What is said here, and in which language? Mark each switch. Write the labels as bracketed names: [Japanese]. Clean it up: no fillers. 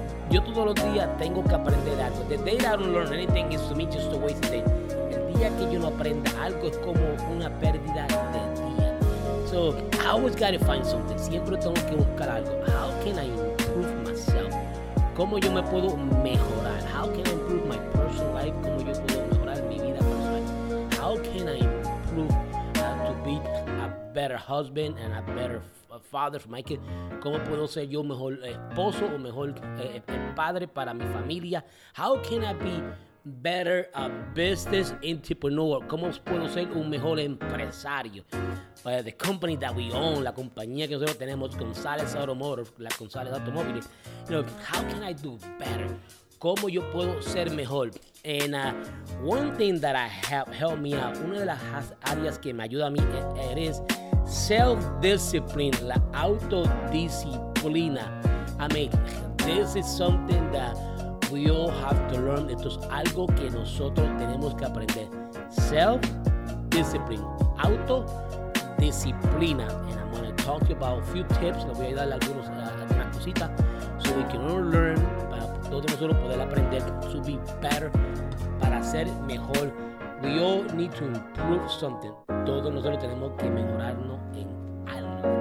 [Spanish] Yo todos los días tengo que aprender algo. [English] The day that I don't learn anything is to me just a waste of day. [Spanish] El día que yo no aprenda algo es como una pérdida de día. [English] So, I always got to find something. [Spanish] Siempre tengo que buscar algo. [English] How can I improve myself? [Spanish] ¿Cómo yo me puedo mejorar? [English] How can I improve my personal life? [Spanish] ¿Cómo yo puedo mejorar mi vida personal? [English] How can I improve to be a better husband and a better father for my kid? [Spanish] ¿Cómo puedo ser yo mejor esposo o mejor padre para mi familia? [English] How can I be better a business entrepreneur? [Spanish] ¿Cómo puedo ser un mejor empresario? [English] The company that we own, [Spanish] la compañía que nosotros tenemos, Gonzalez Automotive, la Gonzalez Automóviles. [English] You know, how can I do better? [Spanish] ¿Cómo yo puedo ser mejor? [English] And one thing that I helped me out, [Spanish] una de las áreas que me ayuda a mí es self-discipline, la autodisciplina. [English] I mean, this is something that we all have to learn. [Spanish] Esto es algo que nosotros tenemos que aprender. Self-discipline, autodisciplina. disciplina. [English] And I'm going to talk to you about a few tips. [Spanish] Le voy a dar algunos, algunas cositas. [English] So we can all learn, [Spanish] para todos nosotros poder aprender [English] to be better, [Spanish] para ser mejor. [English] We all need to improve something. [Spanish] Todos nosotros tenemos que mejorarnos en algo.